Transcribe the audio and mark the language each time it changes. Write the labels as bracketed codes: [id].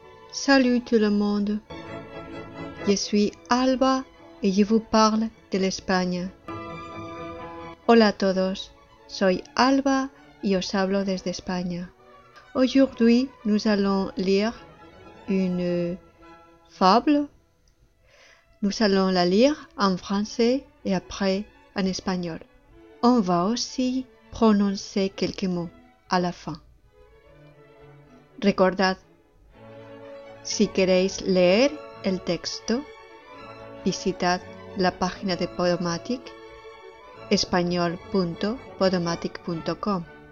[fr] Salut tout le monde, je suis Alba et je vous parle de l'Espagne. [es] Hola a todos, soy Alba y os hablo desde España. [fr] Aujourd'hui, nous allons lire une fable. Nous allons la lire en français et après en espagnol. On va aussi prononcer quelques mots à la fin. [es] Recordad, si queréis leer el texto, visitad la página de Podomatic, español.podomatic.com.